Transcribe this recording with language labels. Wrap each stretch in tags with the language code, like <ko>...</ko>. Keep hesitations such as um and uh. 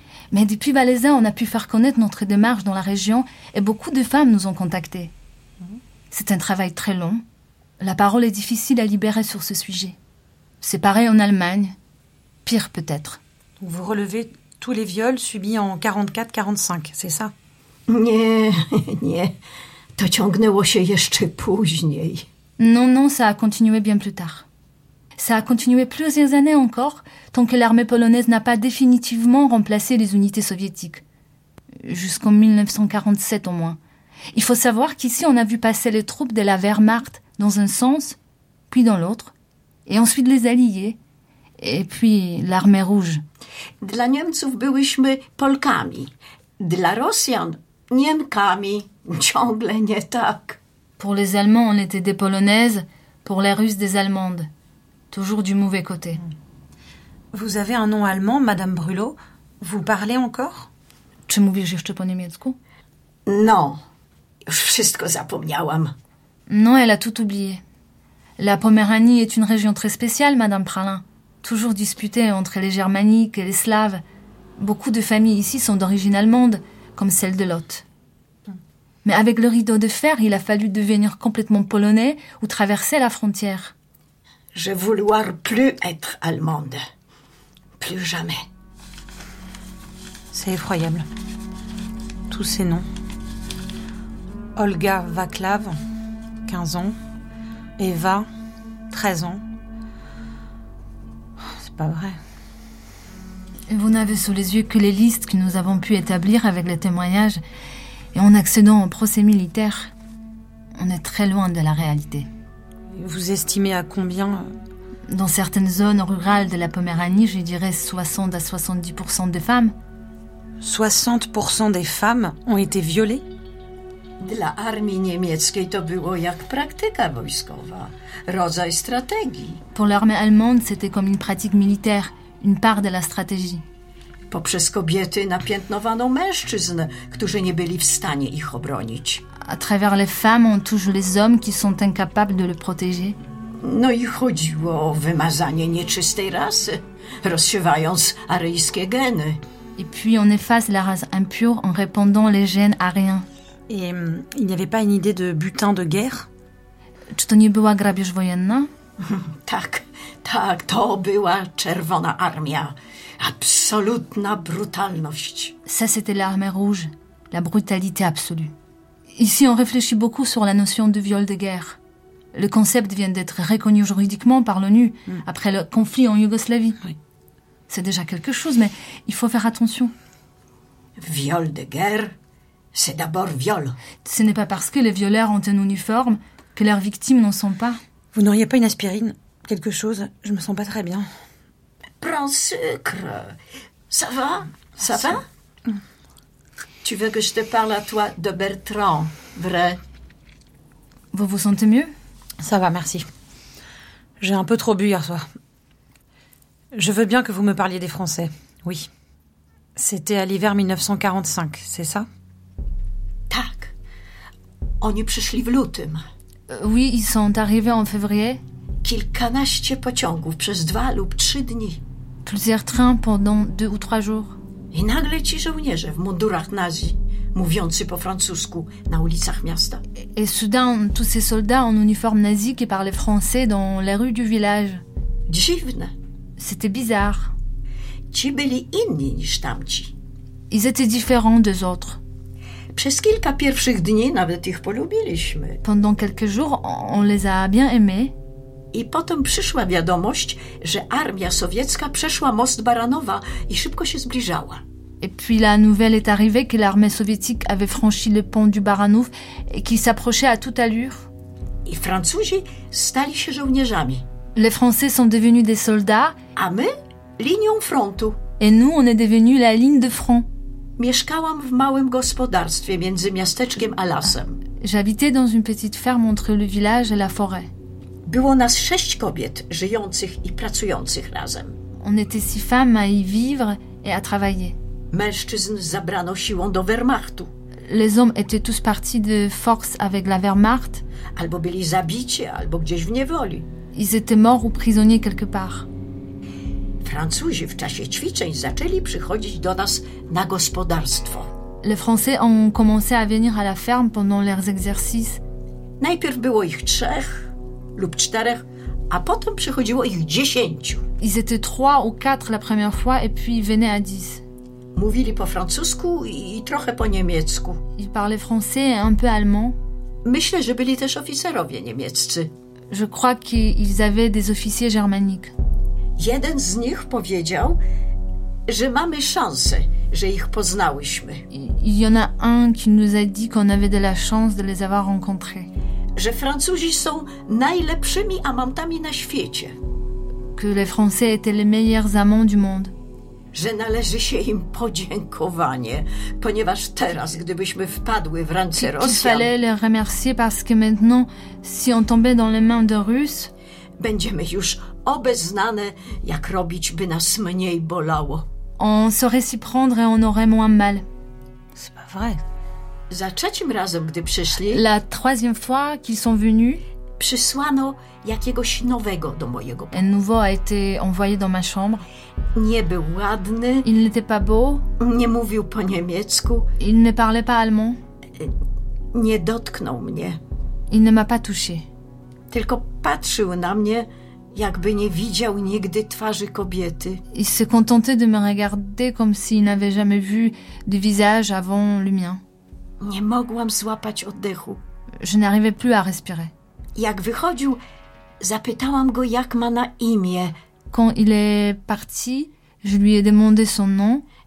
<fr>Mais depuis Valéza, on a pu faire connaître notre démarche dans la région et beaucoup de femmes nous ont contactées. C'est un travail très long. La parole est difficile à libérer sur ce sujet. C'est pareil en Allemagne. Pire peut-être. Donc vous relevez tous les viols subis en 44-45, c'est ça</fr> <pl>Nie, nie. To ciągnęło się jeszcze później.</pl> <fr>Non, non, ça a continué bien plus tard. Ça a continué plusieurs années encore, tant que l'armée polonaise n'a pas définitivement remplacé les unités soviétiques. Jusqu'en 1947 au moins. Il faut savoir qu'ici on a vu passer les troupes de la Wehrmacht dans un sens, puis dans l'autre, et ensuite les Alliés, et puis l'armée rouge.</fr> <pl>Dla Niemców byłyśmy Polkami, dla Rosjan Niemkami. Ciągle nie tak.</pl> <fr>Pour les Allemands, on était des Polonaises, pour les Russes, des Allemandes. Toujours du mauvais côté. Vous avez un nom allemand, Madame Brulot. Vous parlez encore</fr> <pl>Czy mówisz jeszcze po niemiecku? No, już wszystko zapomniałam.</pl> <fr>Non, elle a tout oublié. La Poméranie est une région très spéciale, Madame Pralin, toujours disputée entre les Germaniques et les Slaves. Beaucoup de familles ici sont d'origine allemande, comme celle de Lot. Mais avec le rideau de fer, il a fallu devenir complètement polonais ou traverser la frontière. Je vouloir plus être allemande. Plus jamais. C'est effroyable. Tous ces noms. Olga Vaclav, 15 ans. Eva, 13 ans. C'est pas vrai. Et Vous n'avez sous les yeux que les listes que nous avons pu établir avec les témoignages et en accédant au procès militaire. On est très loin de la réalité. Vous estimez à combien Dans certaines zones rurales de la Poméranie, je dirais 60 à 70% des femmes. 60% des femmes ont été violées</fr> <pl>Dla armii niemieckiej to było jak praktyka wojskowa, rodzaj strategii.</pl> <fr>Pour l'armée allemande, c'était comme une pratique militaire, une part de la stratégie.</fr> <pl>Poprzez kobiety napiętnowano mężczyzn, którzy nie byli w stanie ich obronić.</pl> <fr>À travers les femmes, on touche les hommes qui sont incapables de le protéger.</fr> <pl>No i chodziło o wymazanie nieczystej rasy, rozsiewając aryjskie geny.</pl> <fr>Et puis on efface la race impure en répandant les gènes à rien. et hum, il n'y avait pas une idée de butin de guerre</fr> <pl>Czy to nie była grabież wojenna? Tak, tak, to była czerwona armia. Absolutna brutalność.</pl> <fr>Ça, c'était l'armée rouge, la brutalité absolue. Ici, on réfléchit beaucoup sur la notion de viol de guerre. Le concept vient d'être reconnu juridiquement par l'ONU après le conflit en Yougoslavie. Oui. C'est déjà quelque chose, mais il faut faire attention. Viol de guerre, c'est d'abord viol. Ce n'est pas parce que les violeurs ont un uniforme que leurs victimes n'en sont pas. Vous n'auriez pas une aspirine Quelque chose Je me sens pas très bien. Prends sucre. Ça va Ça va Tu veux que je te parle à toi de Bertrand, vrai Vous vous sentez mieux Ça va, merci. J'ai un peu trop bu hier soir. Je veux bien que vous me parliez des Français, oui. C'était à l'hiver 1945, c'est ça</fr> <pl>Tak. Oni przyszli w lutym.</pl> <fr>Euh, oui, ils sont arrivés en février.</fr> <pl>Kilkanaście pociągów przez dwa lub trzy dni.</pl> <fr>Plusieurs trains pendant deux ou trois jours.</fr> <pl>I nagle ci żołnierze w mundurach nazi, mówiący po francusku na ulicach miasta.</pl> <fr>Et soudain, tous ces soldats en uniforme nazi qui parlaient français dans les rues du village.</fr> <pl>Dziwne.</pl> <fr>C'était bizarre.</fr> <pl>Ci byli inni niż tamci.</pl> <fr>Ils étaient différents des autres.</fr> <pl>Przez kilka pierwszych dni nawet ich polubiliśmy.</pl> <fr>Pendant quelques jours, on on les a bien aimés.</fr> <pl>I potem przyszła wiadomość, że armia sowiecka przeszła most Baranowa i szybko się zbliżała.</pl> <fr>Et puis la nouvelle est arrivée que l'armée soviétique avait franchi le pont du Baranouf et qu'il s'approchait à toute allure.</fr> <pl>I Francuzi stali się żołnierzami,</pl> <fr>Les Français sont devenus des soldats</fr> <pl>a my linią frontu.</pl> <fr>et nous, on est devenus la ligne de front.</fr> <pl>Mieszkałam w małym gospodarstwie między miasteczkiem a lasem.</pl> <fr>J'habitais dans une petite ferme entre le village et la forêt.</fr> <pl>Było nas sześć kobiet żyjących i pracujących razem.</pl> <fr>On était six femmes à y vivre et à travailler.</fr> <pl>Mężczyzn zabrano siłą do Wehrmachtu,</pl> <fr>Les hommes étaient tous partis de force avec la Wehrmacht.</fr> <pl>albo byli zabici, albo gdzieś w niewoli.</pl> <fr>Ils étaient morts ou prisonniers quelque part.</fr> <pl>Francuzi w czasie ćwiczeń zaczęli przychodzić do nas na gospodarstwo.</pl> <fr>Les Français ont commencé à venir à la ferme pendant leurs exercices.</fr> <pl>Najpierw było ich trzech lub czterech, a potem przychodziło ich dziesięciu.</pl> <fr>Ils étaient trois ou quatre la première fois et puis ils venaient à dix.</fr> <pl>Mówili po francusku i i trochę po niemiecku.</pl> <fr>Ils parlaient français et un peu allemand.</fr> <pl>Myślę, że byli też oficerowie niemieccy.</pl> <fr>Je crois qu'ils avaient des officiers germaniques.</fr> <pl>Jeden z nich powiedział, że mamy szansę, że ich poznałyśmy,</pl> <fr>Il y en a un qui nous a dit qu'on avait de la chance de les avoir rencontrés.</fr> <pl>że Francuzi są najlepszymi amantami na świecie,</pl> <fr>Que les Français étaient les meilleurs amants du monde.</fr> <pl>że należy się im podziękowanie, ponieważ teraz, gdybyśmy wpadły w ręce</pl> <fr>Qu'il</fr> <pl>Rosjan,</pl> <fr>fallait les remercier parce que maintenant, si on tombait dans les mains de Russes,</fr> <pl>będziemy już obeznane, jak robić, by nas mniej bolało.</pl> <fr>on saurait s'y prendre et on aurait moins mal. C'est pas vrai.</fr> <pl>Za trzecim razem, gdy przyszli,</pl> <fr>La troisième fois qu'ils sont venus,</fr> <pl>przysłano jakiegoś nowego do mojego.</pl> <fr>un nouveau a été envoyé dans ma chambre.</fr> <pl>Nie był ładny,</pl> <fr>Il n'était pas beau,</fr> <pl>nie mówił po niemiecku,</pl> <fr>il ne parlait pas allemand,</fr> <pl>nie dotknął mnie,</pl> <fr>il ne m'a pas touchée.</fr> <pl>tylko patrzył na mnie, jakby nie widział nigdy twarzy kobiety.</pl> <fr>Il se contentait de me regarder comme s'il n'avait jamais vu de visage avant le mien.</fr> <pl>Nie mogłam złapać oddechu.</pl> <fr>Je n'arrivais plus à respirer.</fr> <pl>Jak wychodził, zapytałam go, jak ma na imię.</pl> <fr>Quand il est parti, je lui ai demandé son nom.</fr>